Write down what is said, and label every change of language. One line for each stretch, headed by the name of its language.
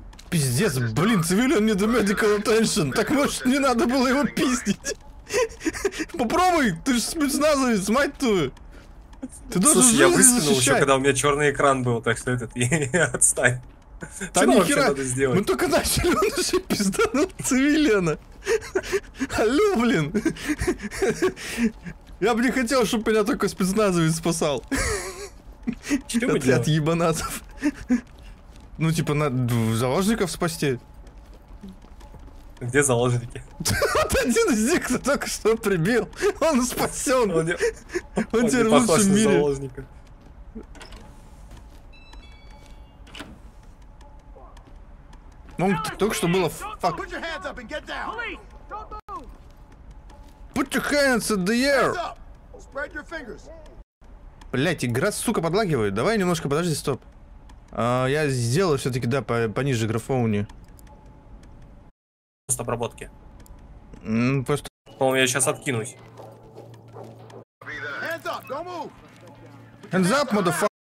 Russian: Пиздец, блин, цивилиан
English: need a medical attention.
Russian: Так может не надо было его пиздить? Попробуй, ты ж спецназовец, мать твою. Ты должен жизнь защищать. Слушай, я выстрелил еще, когда у меня черный экран был, так что этот, отстань. Да ни хера, мы только начали, он уже пизданул цивилиана. Алло, блин. Я бы не хотел, чтобы меня только спецназовец спасал. Чё мы делаем? От ебанатов. Ну, типа, надо заложников спасти. Где заложники? Вот один из них, кто только что прибил. Он спасен. Он теперь в лучшем мире. Он только что было фак.
English: Put your hands in the air! Spread your fingers.
Russian: Блять, игра, сука, подлагивает. Давай немножко, подожди, стоп. Я сделал все-таки, да, пониже графоуни. Пост обработки. Просто. По-моему, я сейчас откинусь.
English: Hands up, don't move! Hands up, motherfucker!